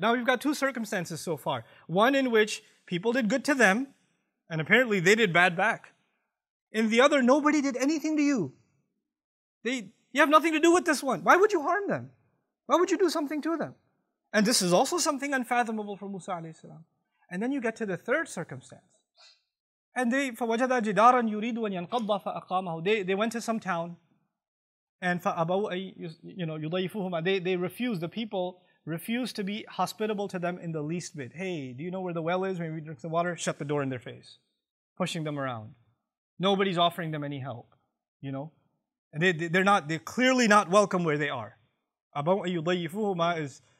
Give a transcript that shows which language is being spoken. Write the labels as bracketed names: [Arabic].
[English] Now, we've got two circumstances so far. One in which people did good to them, and apparently they did bad back. In the other, nobody did anything to you. You have nothing to do with this one. Why would you harm them? Why would you do something to them? And this is also something unfathomable for Musa alayhi salam. And then you get to the third circumstance. And they [Arabic] فَوَجَدَ جِدَارًا يُرِيدُ أَنْ يَنْقَضَّ فَأَقَامَهُ. [English] They went to some town. [Arabic] And فَأَبَوْا يُضَيِّفُهُمَا. [English] They refused. The people refused to be hospitable to them in the least bit. Hey, do you know where the well is? Maybe drink some water. Shut the door in their face. Pushing them around. Nobody's offering them any help. You know? And they're clearly not welcome where they are. [Arabic] أَبَوْا أَيُّ ضَيِّفُهُمَا [English] is